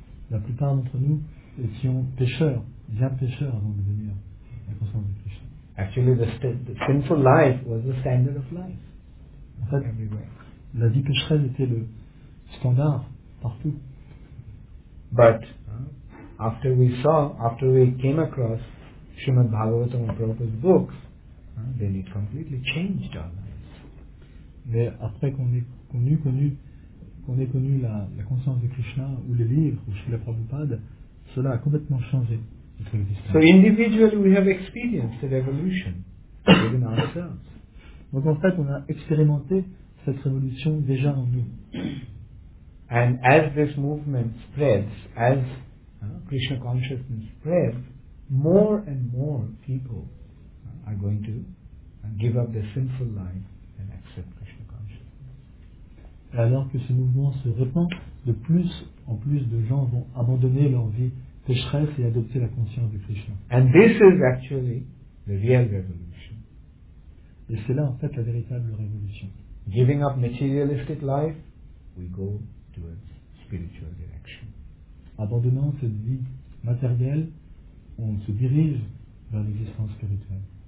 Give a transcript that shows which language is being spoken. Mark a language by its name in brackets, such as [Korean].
[French] La plupart d'entre nous étions pécheurs, bien pécheurs avant de venir à la conscience de Krishna. [English] Actually, the sinful life was the standard of life. [French] En fait, [English] everywhere. [French] La vie pécheresse était le standard partout. [English] But after we saw, after we came across Srimad Bhagavatam and Prabhupada's books, then it completely changed our lives. [French] Mais après qu'on ait connu la conscience de Krishna ou les livres ou Srila Prabhupada, cela a complètement changé notre existence. [English] So individually we have experienced the revolution within ourselves. [French] Donc en fait on a expérimenté cette révolution déjà en nous. [English] And as this movement spreads, as Krishna consciousness spreads, more and more people are going to give up their sinful life and accept Krishna consciousness. [French] Alors que ce mouvement se répand, de plus en plus de gens vont abandonner leur vie pécheresse et adopter la conscience de Krishna. [English] And this is actually the real revolution. [French] Et c'est là en fait la véritable révolution. [English] Giving up materialistic life, we go towards spiritual direction. [French] Abandonnant cette vie matérielle, on se dirige vers l'existence spirituelle.